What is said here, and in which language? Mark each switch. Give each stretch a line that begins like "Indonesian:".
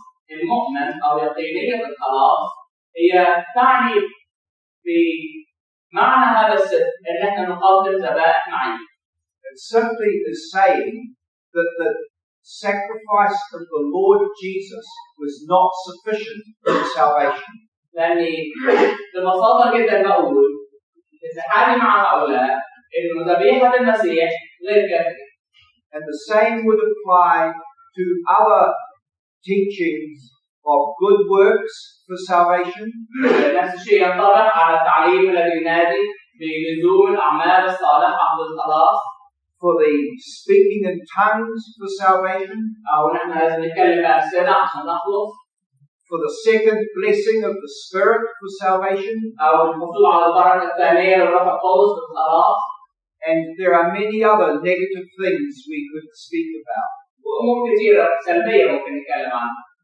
Arabic: المؤمن أو يقينية الخلاص هي تعني بمعنى هذا السر أن احنا نقدم ذبائح معين.
English: It simply is saying that the sacrifice of the Lord Jesus was not sufficient for salvation.
Arabic: يعني ببساطة جدا بقول اتحادي مع هؤلاء أن ذبيحة المسيح غير كافية.
English: And the same would apply to other teachings of good works for salvation.
Arabic: نفس الشيء ينطبق على التعليم الذي ينادي بلزوم الأعمال الصالحة للخلاص.
English: For the speaking in tongues for salvation.
Arabic: أو نحن لازم نتكلم بأسئلة عشان نخلص.
English: For the second blessing of the Spirit for salvation.
Arabic: أو الحصول على البركة الثانية للروح القدس للخلاص.
English: And there are many other negative things we could speak about.
Arabic: وأمور كثيرة سلبية ممكن نتكلم عنها.